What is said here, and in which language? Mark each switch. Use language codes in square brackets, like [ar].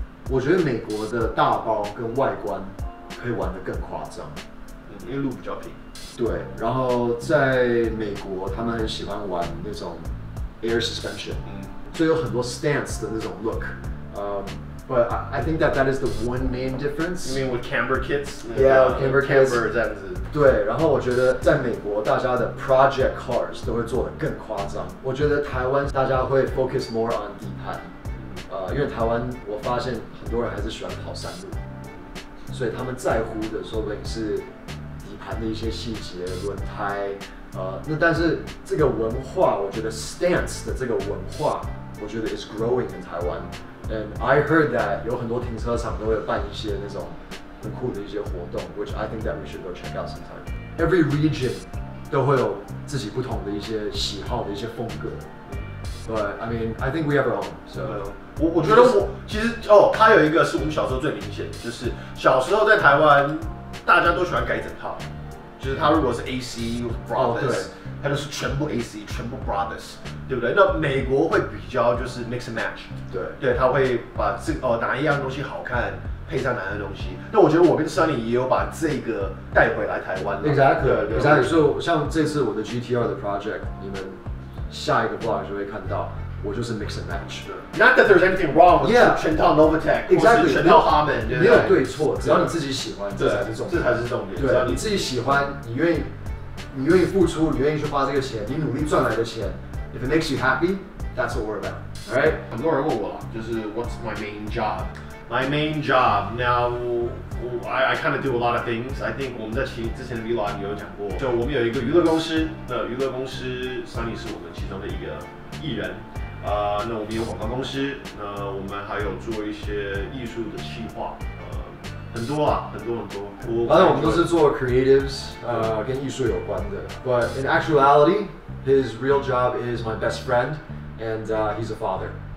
[zh] 我觉得美国的大包跟外观可以玩得更夸张，因为路比较平。对，然后在美国，他们很喜欢玩那种 air suspension， 所以有很多 stance 的那种 look。 [en] But I think that is the one main difference. You mean with camber kits? Yeah, camber kits. [zh] Camber 这样子。对，然后我觉得在美国，大家的 project cars 都会做得更夸张。我觉得台湾大家会 [en] focus more on [zh] 底盘。因为台湾我发现很多人还是喜欢跑山路，所以他们在乎的说不定是底盘的一些细节、轮胎，那但是这个文化，我觉得 stance 的这个文化，我觉得 [en] is growing in Taiwan。 And I heard that [zh] 有很多停车场都会办一些那种很酷的一些活动 [en] ，which I think that we should go check out sometime。 Every region [zh] 都会有自己不同的一些喜好的一些风格。 [en] But I mean, I think we have our own. So, [zh] 我觉得我其实哦，他有一个是我们小时候最明显的，就是小时候在台湾，大家都喜欢改整套，就是他如果是 AC Brothers， 他就是全部 AC， 全部 Brothers， 对不对？那美国会比较就是 [en] mix and match， [zh] 对，他会把这哪一样东西好看配上哪样东西。那我觉得我跟 Sunny 也有把这个带回来台湾 [en] 了。Exactly. [zh] So, 像这次我的 GTR 的 project， 你们。下一个 vlog 就会看到，我就是 [en] mix and match。 Not that there's anything wrong with [zh] 全套 [en] Novatec， exactly， [zh] 全套 Harman，没有对错，只要你自己喜欢，这才是重点。对，你自己喜欢，你愿意付出，你愿意去花这个钱，你努力赚来的钱， [en] If it makes you happy, that's what we're about. All right? [zh] 很多人问我, 就是 [en] what's my main job? My main job, now, I kind of do a lot of things. I think [zh] 我们在之前的 vlog 也有讲过, 就我们有一个娱乐公司, 娱乐公司 Sunny 是我们其中的一个艺人, 那我们有广告公司, 那我们还有做一些艺术的企划, 很多啊，很多很多。当然，我们都是做 creatives， 跟艺术有关的。 [en] But in actuality， his real job is my best friend， and he's a father。